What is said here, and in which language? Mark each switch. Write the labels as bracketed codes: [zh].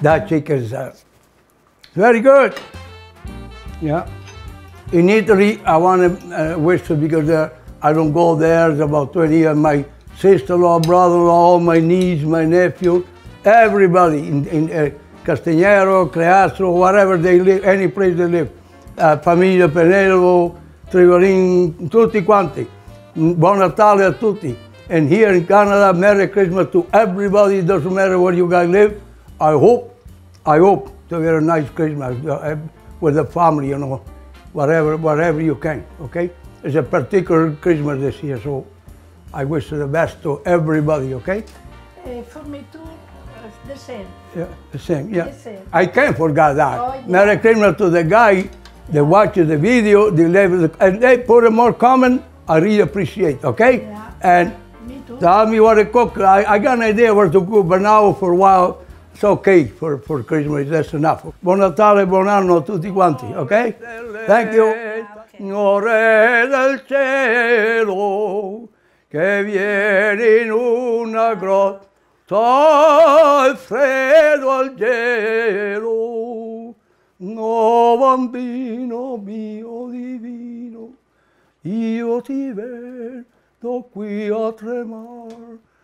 [en] That chicken is very good. Yeah. In Italy, I want to wish to because I don't go there. It's about 20 years. My sister-in-law, brother-in-law, my niece, my nephew, everybody in Castagnero, Creastro, whatever they live, any place they live. [it] Famiglia Penelvo, Trigolin, tutti quanti. Buon Natale a tutti. [en] And here in Canada, Merry Christmas to everybody. It doesn't matter where you guys live. I hope to get a nice Christmas with the family, you know, whatever you can, okay? It's a particular Christmas this year, so I wish the best to everybody, okay? For me too, the same. Yeah, the same, yeah. The same. I can't forget that. Oh, yeah. Merry Christmas to the guy that watches the video, and they put a more comment, I really appreciate, okay? Yeah. And me too. Tell me what to cook. I got an idea where to cook, but now for a while, it's okay for Christmas, that's enough. [it] Buon Natale, buon anno a tutti quanti, okay? [en] Thank you. [it] Signore del cielo, che vieni in una grotta, il freddo al gelo, no bambino mio divino, io ti vedo qui a tremar.